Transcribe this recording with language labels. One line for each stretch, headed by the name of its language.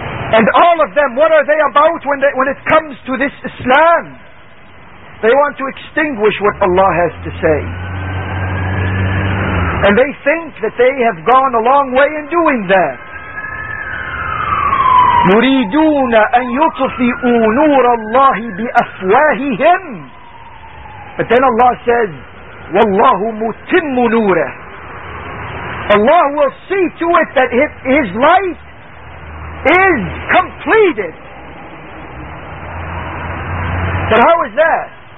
English: And all of them, what are they about when it comes to this Islam? They want to extinguish what Allah has to say. And they think that they have gone a long way in doing that.
Arabic: يريدون أن يطفئوا نور الله بأفواههم.
English: But then Allah says,
Arabic: والله متم نوره.
English: Allah will see to it that His light is completed. But how is that?